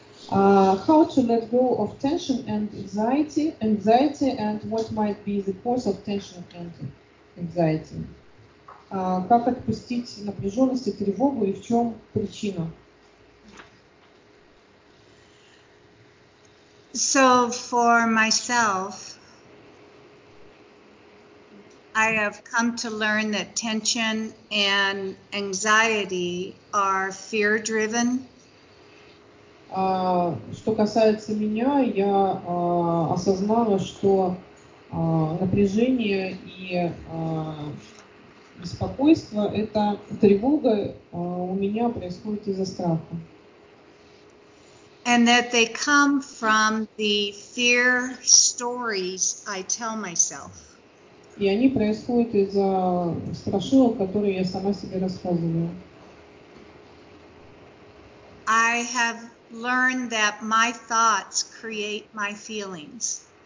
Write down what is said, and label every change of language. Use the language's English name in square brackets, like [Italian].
[English] How to let go of tension and anxiety, and what might be the cause of tension and anxiety? [Russian] Как отпустить напряженность и тревогу, и в чем причина? [English] So for myself, I have come to learn that tension and anxiety are fear-driven. [Russian] Что касается меня, я осознала, что напряжение и беспокойство, это тревога у меня происходит из-за страха. [English] And that they come from the fear stories I tell myself. [Russian] И они происходят из-за страшилок, которые я сама себе рассказываю. [English] I have learned that my thoughts create my feelings.